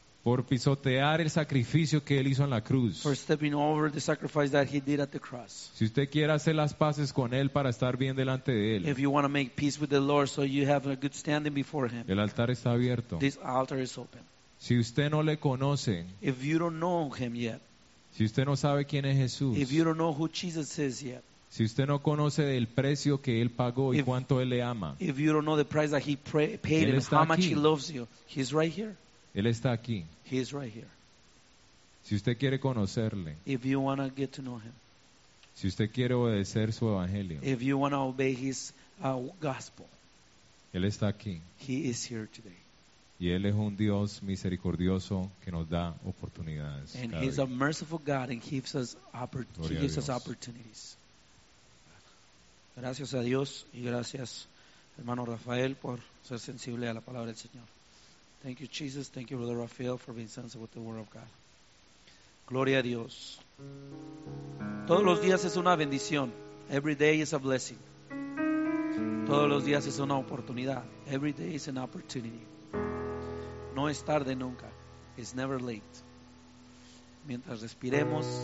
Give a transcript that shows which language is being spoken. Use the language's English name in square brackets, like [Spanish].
[Spanish] por pisotear el sacrificio que él hizo en la cruz, [English] for stepping over the sacrifice that he did at the cross, [Spanish] si usted quiere hacer las paces con él para estar bien delante de él, [English] if you want to make peace with the Lord so you have a good standing before him, [Spanish] el altar está abierto, [English] this altar is open. [Spanish] Si usted no le conoce, [English] if you don't know him yet, [Spanish] si usted no sabe quién es Jesús, [English] if you don't know who Jesus is yet, [Spanish] si usted no conoce el precio que él pagó y cuánto él le ama, [English] if you don't know the price that he paid and how much he loves you, he's right here. [Spanish] Él está aquí. [English] He is right here. [Spanish] Si usted quiere conocerle, [English] if you want to get to know him, [Spanish] si usted quiere obedecer su evangelio, [English] if you want to obey his gospel, [Spanish] él está aquí. [English] He is here today. [Spanish] Y él es un Dios misericordioso que nos da oportunidades. [English] And he is a merciful God and gives us opportunities. [Spanish] Gracias a Dios y gracias, hermano Rafael, por ser sensible a la palabra del Señor. [English] Thank you, Jesus. Thank you, Brother Rafael, for being sensitive with the Word of God. [Spanish] Gloria a Dios. Todos los días es una bendición. [English] Every day is a blessing. [Spanish] Todos los días es una oportunidad. [English] Every day is an opportunity. [Spanish] No es tarde nunca. [English] It's never late. [Spanish] Mientras respiremos,